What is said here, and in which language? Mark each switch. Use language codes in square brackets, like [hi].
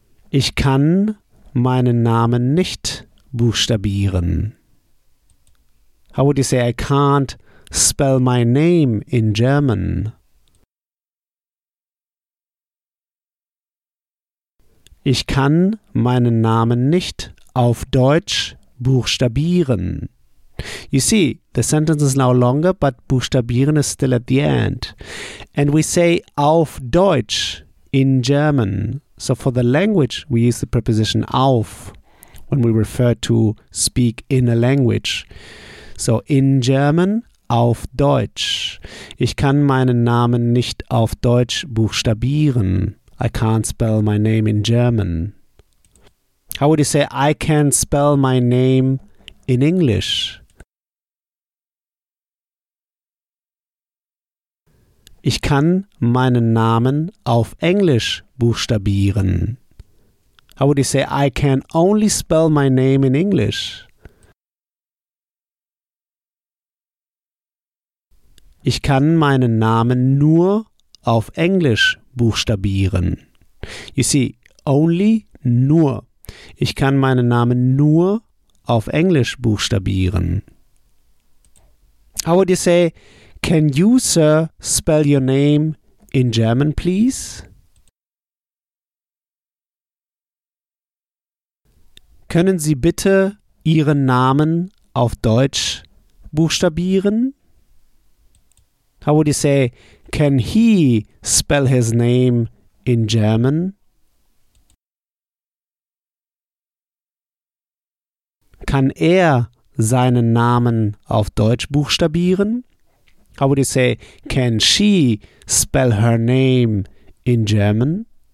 [de] Ich kann meinen Namen nicht buchstabieren. [en] How would you say, I can't spell my name in German? [de] Ich kann meinen Namen nicht auf Deutsch buchstabieren. [en] You see, the sentence is now longer, but buchstabieren is still at the end. And we say [de] auf Deutsch [en] in German. So for the language, we use the preposition auf when we refer to speak in a language. So in German, [de] auf Deutsch. Ich kann meinen Namen nicht auf Deutsch buchstabieren. [en] I can't spell my name in German. How would you say, I can spell my name in English? [de] Ich kann meinen Namen auf Englisch buchstabieren. [en] How would you say, I can only spell my name in English? [de] Ich kann meinen Namen nur auf Englisch buchstabieren. [en] You see, only, [de] nur. Ich kann meinen Namen nur auf Englisch buchstabieren. [en] How would you say, can you, sir, spell your name in German, please? [de] Können Sie bitte Ihren Namen auf Deutsch buchstabieren? [en] How would you say, can he spell his name in German? [de] Kann er seinen Namen auf Deutsch buchstabieren? [en] How would you say, can she spell her name in German?